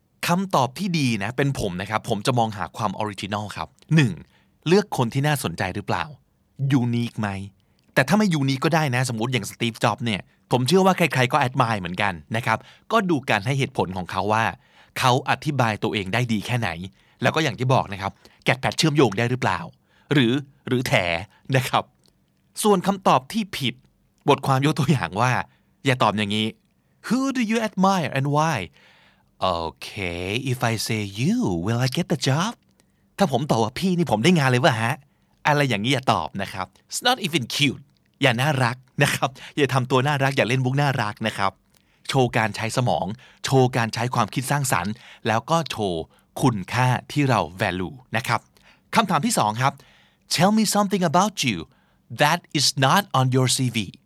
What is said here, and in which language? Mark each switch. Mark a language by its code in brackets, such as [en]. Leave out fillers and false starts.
[th] คำตอบที่ดีนะเป็นผมนะครับผมจะมองหาความออริจินอลครับ1เลือกคนที่น่าสนใจหรือเปล่ายูนิคไหมแต่ถ้าไม่ยูนิคก็ได้นะสมมุติอย่างสตีฟจ็อบส์เนี่ยผมเชื่อว่าใครๆก็แอดมายเหมือนกันนะครับก็ดูการให้เหตุผลของเขาว่าเขาอธิบายตัวเองได้ดีแค่ไหนแล้วก็อย่างที่บอกนะครับแกะแพทเชื่อมโยงได้หรือเปล่าหรือแถนะครับส่วนคำตอบที่ผิดบทความยกตัวอย่างว่าอย่าตอบอย่างนี้ [en] Who do you admire and why? Okay, if I say you, will I get the job? [th] ถ้าผมตอบว่าพี่นี่ผมได้งานเลยวะฮะอะไรอย่างนี้อย่าตอบนะครับ [en] It's not even cute [th] อย่าน่ารักนะครับอย่าทำตัวน่ารักอย่าเล่นมุกน่ารักนะครับโชว์การใช้สมองโชว์การใช้ความคิดสร้างสรรค์แล้วก็โชว์คุณค่าที่เรา value นะครับคำถามที่สองครับ [en] Tell me something about you that is not on your CV